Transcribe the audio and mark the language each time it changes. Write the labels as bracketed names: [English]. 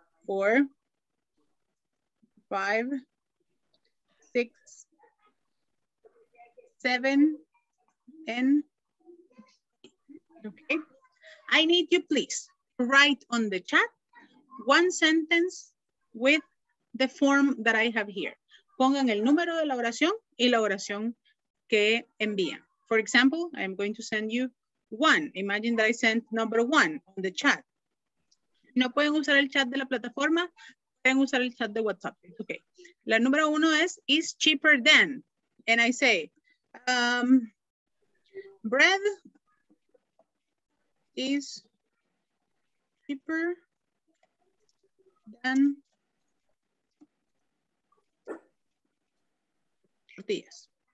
[English] four, five, six, seven, and okay. I need you please write on the chat one sentence with the form that I have here. [Spanish] Pongan el número de la oración y la oración que envían. [English] For example, I'm going to send you one. Imagine that I sent number one on the chat. [Spanish] No pueden usar el chat de la plataforma, pueden usar el chat de WhatsApp. [English] Okay. [Spanish] La número uno [English] is cheaper than. And I say, bread is cheaper than tortillas.